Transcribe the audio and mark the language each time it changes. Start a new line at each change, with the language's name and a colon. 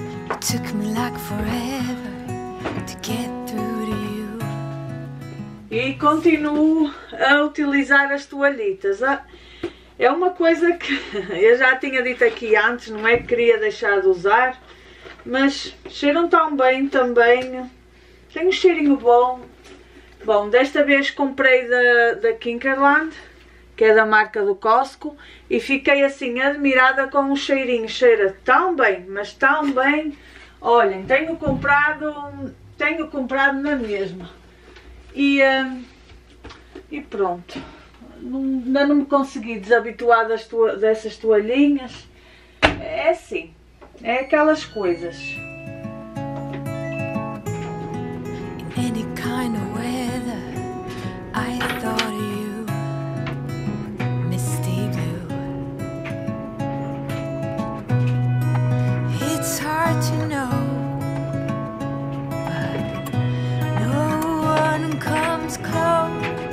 English: It took me like forever to get through to you.
Portuguese: E continuo a utilizar as toalhitas. É uma coisa que eu já tinha dito aqui antes, não é que queria deixar de usar, mas cheiram tão bem também, tem um cheirinho bom. Bom, desta vez comprei da Kinkerland, que é da marca do Costco, e fiquei assim admirada com o cheirinho, cheira tão bem, mas tão bem. Olhem, tenho comprado na mesma e pronto. Ainda não me consegui desabituar dessas toalhinhas. É assim, é aquelas coisas.
English: In any kind of weather, I thought of you, misty blue. It's hard to know, but no one comes close.